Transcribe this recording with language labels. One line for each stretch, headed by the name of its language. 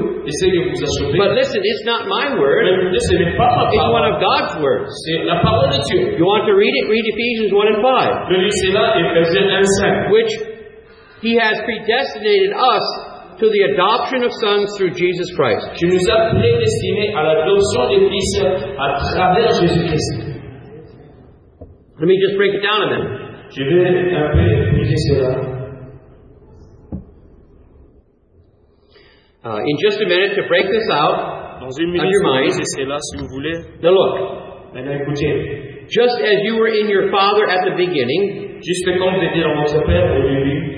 English: But listen, it's not my word. It's one of God's words. You want to read it? Read Ephesians 1 and 5. Which He has predestinated us to the adoption of sons through Jesus Christ.
French: Tu nous as prédestinés à l'adoption des fils à travers Jésus Christ.
English: Let me just break it down a minute.
French: Je vais un peu expliquer cela.
English: In just a minute, to break this out
French: dans une minute,
English: of your mind.
French: Si vous voulez.
English: Now look.
French: Maintenant, écoutez.
English: Just as you were in your father at the beginning,
French: juste comme vous étiez dans votre père au début,